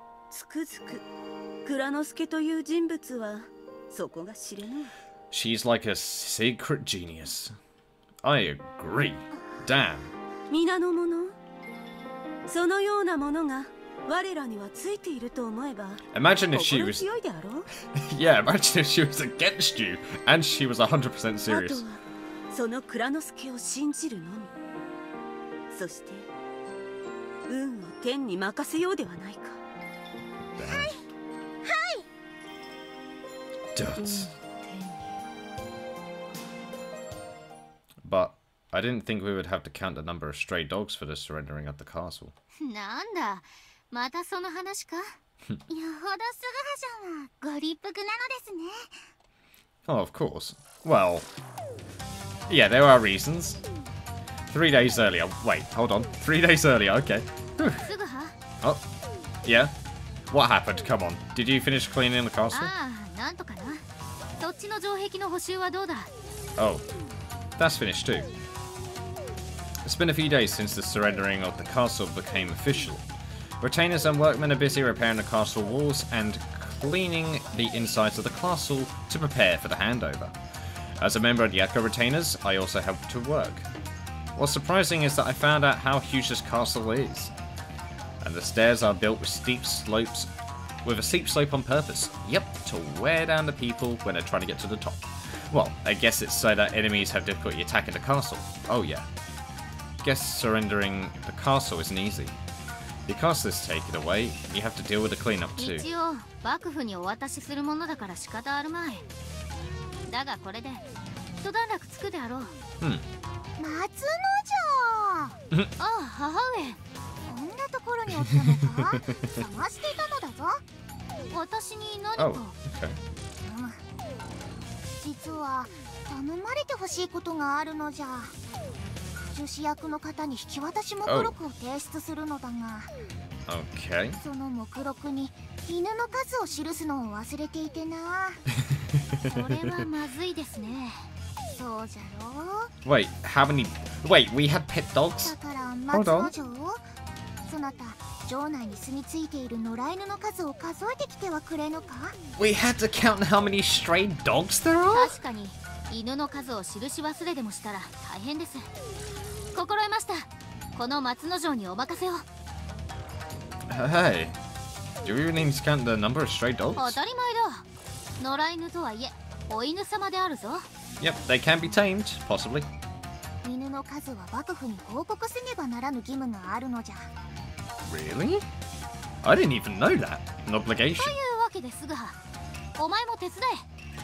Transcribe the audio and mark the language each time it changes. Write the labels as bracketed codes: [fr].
[ja] つくづく蔵之助という人物はそこが知れない。 [en] She's like a secret geniusI agree. Damn. [ja] 皆の者、そのようなものが我らにはついていると思えば、 [en] Imagine if she was [ja] 強いであろう。 [en] Yeah, imagine if she was against you and she was 100% serious. [ja] あとはその蔵之助を信じるのみ。そして運を天に任せようではないか。はいはい。 [en] Dots. But I didn't think we would have to count the number of stray dogs for the surrendering of the castle. [ja] なんだ、またその話か。よほどスグハちゃんはご立腹なのですね。 [en] Oh, of course. Well, yeah, there are reasons. 3 days earlier. Wait, hold on. 3 days earlier. Okay. [ja] スグハ。 [en] Oh, yeah. What happened? Come on. Did you finish cleaning the castle? [ja] ああ、なんとかな。そっちの城壁の補修はどうだ。 [en] Oh. That's finished too. It's been a few days since the surrendering of the castle became official. Retainers and workmen are busy repairing the castle walls and cleaning the insides of the castle to prepare for the handover. As a member of the Echo Retainers, I also help to work. What's surprising is that I found out how huge this castle is. And the stairs are built with steep slopes, with a steep slope on purpose. Yep, to wear down the people when they're trying to get to the top. Well, I guess it's so that enemies have difficulty attacking the castle. Oh yeah. Guess surrendering the castle isn't easy. The castle is taken away. You have to deal with the cleanup too. [ja] 一応幕府にお渡しするものだから仕方あるまい。だがこれで一段落つくであろう。松野城。ああ母上。こんなところにおったのか。探していたのだぞ。私に何か。 [en] Oh, okay. [ja] 実は頼まれてほしいことがあるのじゃ。女子役の方に引き渡し目録を提出するのだが、 [en] oh. okay. [ja] その目録に犬の数を記すのを忘れていてな。それはまずいですね。そうじゃろ。 [en] Wait, how many? Wait, we have pet dogs. [ja] だから松之丞、そなた城内に住み着いている野良犬の数を数えてきてはくれぬか。 [en] We had to count how many stray dogs there are. [ja] 確かに。犬の数を記し忘れでもしたら大変です。心得ました。この松之丞にお任せを。 [en] Hey, do you need to count the number of stray dogs? [ja] 当たり前だ。野良犬とはいえ、お犬様であるぞ。 [en] Yep, they can be tamed, possibly. [ja] 犬の数は幕府に報告せねばならぬ義務があるのじゃ。 [en] Really? I didn't even know that. An obligation. [ja] というわけですが、お前も手伝え。